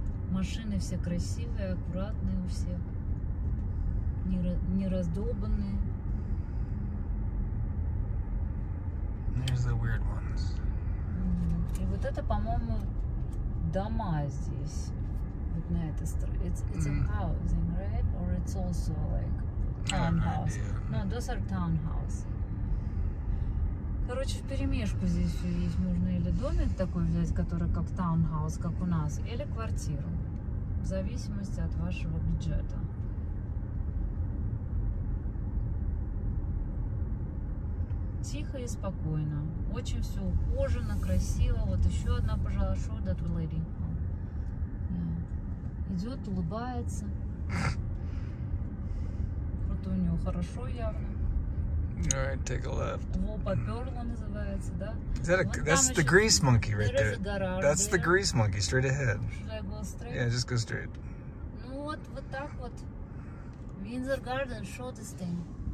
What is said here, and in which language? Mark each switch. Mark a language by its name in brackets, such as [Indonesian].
[Russian] Машины все красивые, аккуратные у всех, не раздолбанные. [English] There's the weird ones. [Russian] И вот это, по-моему, дома здесь, вот на этой стороне. [English] It's a housing, right? Or it's also like townhouse. No, those are townhouse. [Russian] Короче, в перемешку здесь все есть. Можно или домик такой взять, который как townhouse, как у нас, или квартиру. В зависимости от вашего бюджета. Тихо и спокойно. Очень все ухожено, красиво. Вот еще одна, пожалуй, [English] show that lady. [Russian] Yeah. Идет, улыбается. У него хорошо явно. [English] All right, take a left. [Russian] Во, поперло называется, да? [English] Is that a, вот that's the grease monkey right there. [Russian] Гараж, [English] that's the grease monkey, straight ahead. Yeah, just go straight. [Russian] Ну вот, вот так вот. [English] Windsor Garden, show this thing.